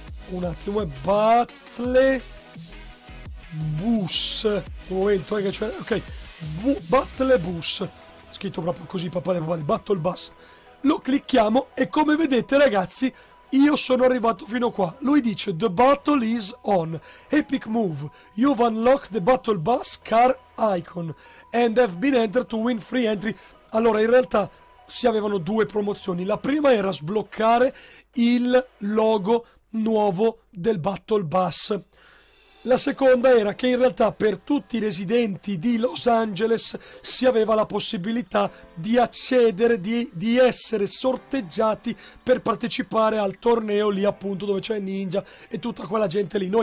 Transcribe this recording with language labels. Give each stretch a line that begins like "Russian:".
Italian: Un attimo, è Battle Bus. Un momento, che c'è. Ok, Battle Bus. Scritto proprio così, papà, Battle Bus. Lo clicchiamo e come vedete, ragazzi, io sono arrivato fino qua. Lui dice
English: the battle is on, epic move, you've unlocked the battle bus car icon and have been entered to win free entry.
Italian: Allora in realtà si avevano due promozioni, la prima era sbloccare il logo nuovo del battle bus, la seconda era che in realtà per tutti i residenti di Los Angeles si aveva la possibilità di accedere, di essere sorteggiati per partecipare al torneo lì, appunto, dove c'è Ninja e tutta quella gente lì.